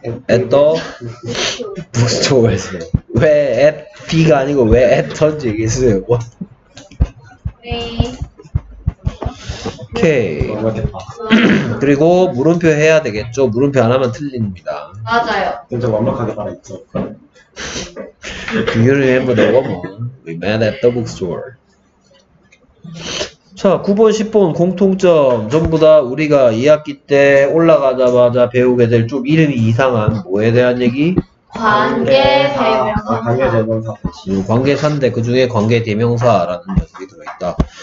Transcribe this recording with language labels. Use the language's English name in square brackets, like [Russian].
[English] At the bookstore [Korean] 에서. 왜 at B가 아니고 왜 at던지 얘기했어요. 네. 오케이. 그리고 물음표 해야 되겠죠. 물음표 안 하면 틀립니다. 맞아요. 진짜 완벽하게 말했죠. [English] Do you remember the woman we met at the bookstore? [Korean] 자, 9번, 10번 공통점 전부 다 우리가 2학기 때 올라가자마자 배우게 될 좀 이름이 이상한 뭐에 대한 얘기? 관계대명사. 관계사인데 그 중에 관계대명사라는 녀석이 들어있다.